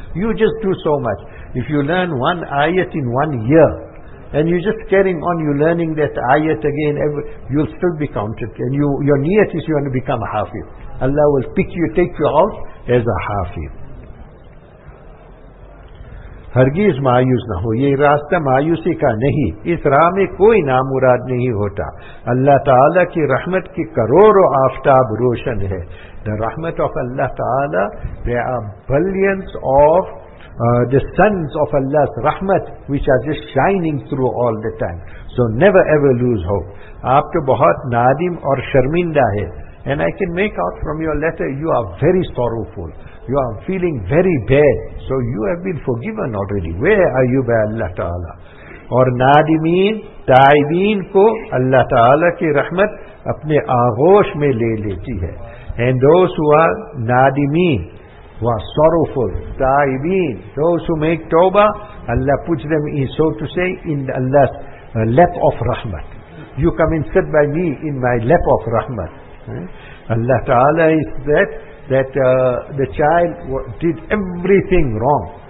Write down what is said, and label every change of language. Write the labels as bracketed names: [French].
[English] You just do so much. If you learn one ayat in 1 year, and you're just carrying on, you're learning that ayat again, you'll still be counted. And your niyat is you want to become a hafiz. Allah will pick you, take you out as a hafiz. [Urdu] ہرگز مایوس نہ ہو. یہ راستہ مایوسی کا نہیں, اس راہ میں کوئی نامراد نہیں ہوتا. اللہ تعالیٰ کی رحمت کی کروڑوں آفتاب روشن ہے. [English] The rahmat of Allah Ta'ala, there are billions of the suns of Allah's rahmat which are just shining through all the time. So never ever lose hope. [Urdu] آپ تو بہت نادم اور شرمندہ ہے, [English] and I can make out from your letter you are very sorrowful. You are feeling very bad. So you have been forgiven already. Where are you by Allah Ta'ala? [Urdu] اور نادمین تائبین کو اللہ تعالیٰ کی رحمت اپنے آغوش میں لے لیتی ہے. [English] And those who are نادمین, who are sorrowful, تائبین, those who make tauba, Allah puts them in, so to say, in Allah's lap of rahmat. You come and sit by me in my lap of rahmat. Allah Ta'ala is that the child did everything wrong.